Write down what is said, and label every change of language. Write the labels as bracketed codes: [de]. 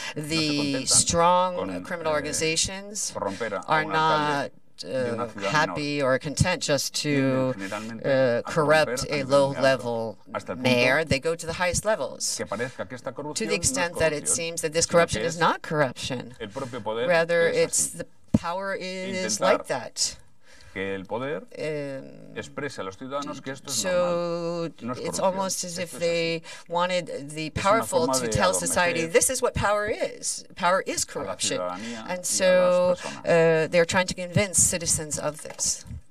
[en] The strong criminal organizations are not happy or content just to corrupt a low-level mayor. They go to the highest levels, to the extent that it seems that this corruption is not corruption. Rather, it's the power is like that. [es] Que el poder exprese a los ciudadanos que esto es [en] so [es] normal. No es [en] it's almost as if they wanted the powerful to tell society this is what power is. Power is corruption. And so they're trying to convince citizens of this.